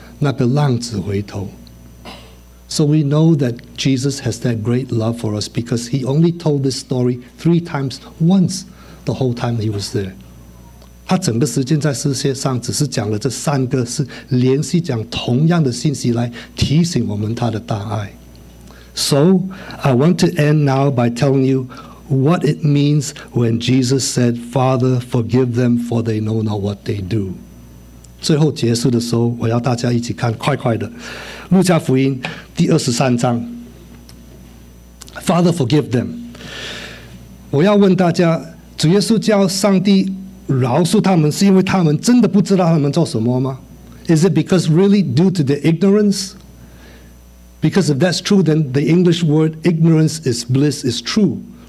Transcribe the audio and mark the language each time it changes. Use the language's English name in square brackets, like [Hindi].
[Chinese] 主耶稣连续讲这三个，都是讲到我们多宝贝在神的眼目里面，那个铜板不见了，那个羊迷失了，那个浪子回头。So [English] we know that Jesus has that great love for us because he only told this story three times once the whole time he was there. [Chinese] 他整个时间在世界上只是讲了这三个，是连续讲同样的信息来提醒我们他的大爱。 [English] So, I want to end now by telling you what it means when Jesus said, Father, forgive them, for they know not what they do. [Chinese] 最后结束的时候，我要大家一起看，快快的，路加福音第23章。 [English] Father, forgive them. [Chinese] 我要问大家，主耶稣叫上帝饶恕他们，是因为他们真的不知道他们做什么吗？ [English] Is it because really due to their ignorance? Because if that's true, then the English word ignorance is bliss is true.